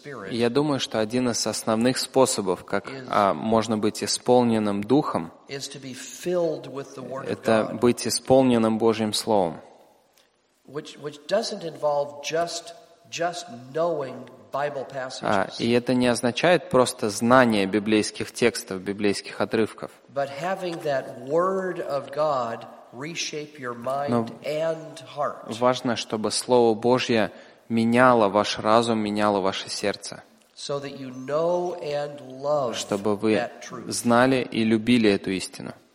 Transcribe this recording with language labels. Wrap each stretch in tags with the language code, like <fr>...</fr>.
<ru>Я думаю, что один из основных способов, как можно быть исполненным Духом, это быть исполненным Божьим Словом.</ru> <en>Which doesn't involve just knowing Bible passages.</en> <ru>И это не означает просто знание библейских текстов, библейских отрывков.</ru> <en>But having that word of God reshape your mind and heart.</en> <ru>Важно, чтобы Слово Божье меняло ваш разум, меняло ваше сердце.</ru> <en>So that you know and love that truth.</en> <ru>Чтобы вы знали и любили эту истину.</ru>